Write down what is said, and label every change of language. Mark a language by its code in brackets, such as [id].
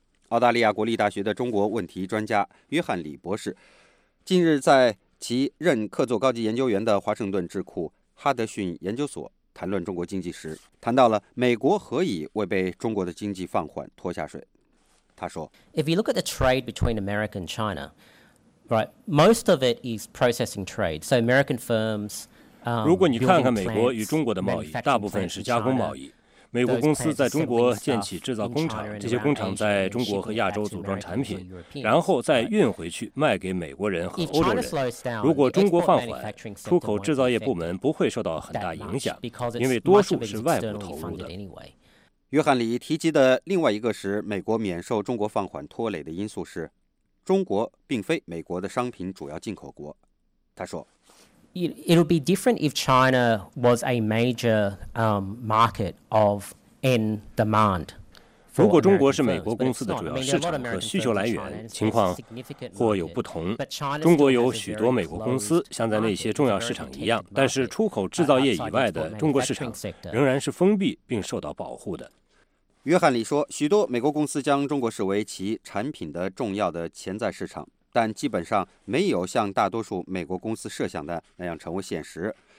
[zh] 澳大利亚国立大学的中国问题专家约翰·李博士近日在其任客座高级研究员的华盛顿智库哈德逊研究所谈论中国经济时，谈到了美国何以未被中国的经济放缓拖下水。他说， [en] If you look at the trade between America and China, right, most of it is processing trade. So American firms, [zh] 如果你看看美国与中国的贸易，大部分是加工贸易。美国公司在中国建起制造工厂，这些工厂在中国和亚洲组装产品，然后再运回去卖给美国人和欧洲人。如果中国放缓，出口制造业部门不会受到很大影响，因为多数是外部投入的。约翰里提及的另外一个使美国免受中国放缓拖累的因素是，中国并非美国的商品主要进口国。他说， [en] It would be different if China was a major market of end demand。 [zh] 如果中国是美国公司的主要市场和需求来源，情况或有不同。中国有许多美国公司，像在那些重要市场一样，但是出口制造业以外的中国市场仍然是封闭并受到保护的。约翰里说，许多美国公司将中国视为其产品的重要的潜在市场，但基本上没有像大多数美国公司设想的那样成为现实。